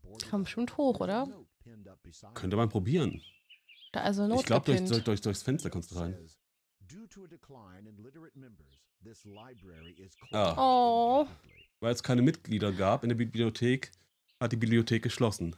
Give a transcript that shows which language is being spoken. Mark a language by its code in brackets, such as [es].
[de] Kommt bestimmt hoch, oder? Könnte man probieren. Da also Not. Ich glaube, durchs Fenster kommst du rein. [en] Due to a decline in literate members, this library is closed. [de] Weil es keine Mitglieder gab in der Bibliothek, hat die Bibliothek geschlossen.